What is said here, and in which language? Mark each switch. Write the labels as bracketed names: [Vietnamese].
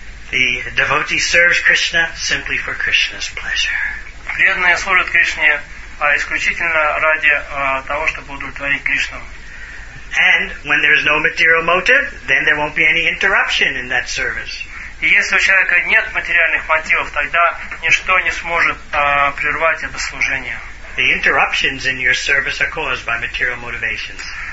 [English] The devotee serves Krishna simply for Krishna's pleasure. [Russian] Преданные служат Кришне исключительно ради того, чтобы удовлетворить Кришну. [English] And when there is no material motive, then there won't be any interruption in that service. [Russian] И если у человека нет материальных мотивов, тогда ничто не сможет прервать это служение. [English] The interruptions in your service are caused by material motivations.